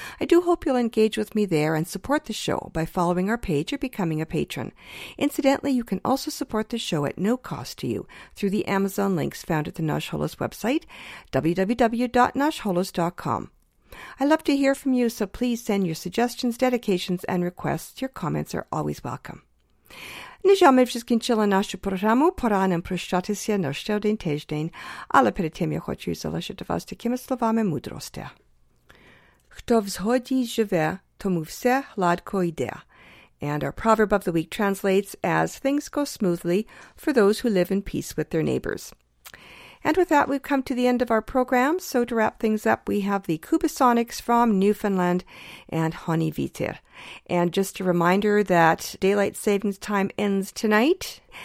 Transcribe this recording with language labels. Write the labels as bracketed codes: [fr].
[en] I do hope you'll engage with me there and support the show by following our page or becoming a patron. Incidentally, you can also support the show at no cost to you through the Amazon links found at the Nash Holos website, www.nashholos.com. I love to hear from you, so please send your suggestions, dedications, and requests. Your comments are always welcome. [uk] Нежаме вскінчила нашу програму. Пора нам прощатися на ще один тиждень, але перед тим я хочу залишити вас такими словами мудрості. Хто в згоді живе, тому все гладко йде. [en] And our proverb of the week translates as things go smoothly for those who live in peace with their neighbors. And with that, we've come to the end of our program. So to wrap things up, we have the Kubasonics from Newfoundland and Honey Viter. And just a reminder that daylight savings time ends tonight.